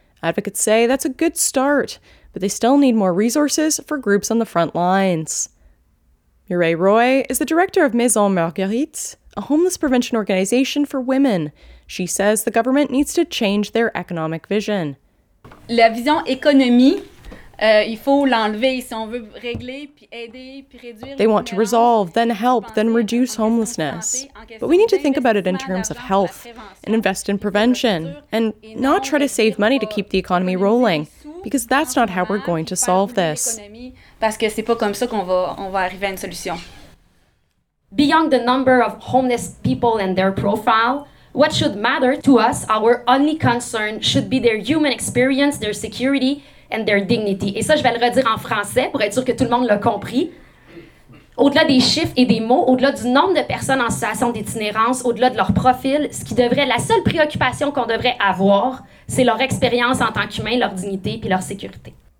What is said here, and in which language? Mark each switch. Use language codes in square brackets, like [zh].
[en] Advocates say that's a good start, but they still need more resources for groups on the front lines. Mireille Roy is the director of Maison Marguerite, a homeless prevention organization for women. She says the government needs to change their economic vision. [fr] La vision économique. Il faut l'enlever si on veut régler, puis aider, puis réduire. [en] They want to resolve, then help, then reduce homelessness. But we need to think about it in terms of health and invest in prevention and not try to save money to keep the economy rolling, because that's not how we're going to solve this. [fr] Parce que c'est pas comme ça qu'on va arriver à une solution. [en] Beyond the number of homeless people and their profile, what should matter to us, our only concern, should be their human experience, their security, and their dignity. [fr] Et ça, je vais le redire en français pour être sûr que tout le monde l'a compris. Au-delà des chiffres et des mots, au-delà du nombre de personnes en situation d'itinérance, au-delà de leur profil, ce qui devrait être la seule préoccupation qu'on devrait avoir, c'est leur expérience en tant qu'humain, leur dignité puis leur sécurité.